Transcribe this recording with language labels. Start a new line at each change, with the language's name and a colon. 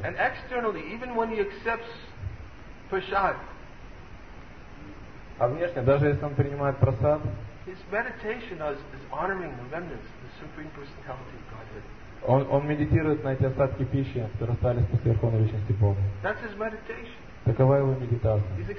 English: And externally, even when he accepts prasad,
Russian: а внешне, даже если он принимает прасад,
English: his meditation is honoring the remnants, the supreme personality of Godhead.
Russian: Он медитирует на эти остатки пищи, которые остались после Верховной Личности Бога. Такова его медитация.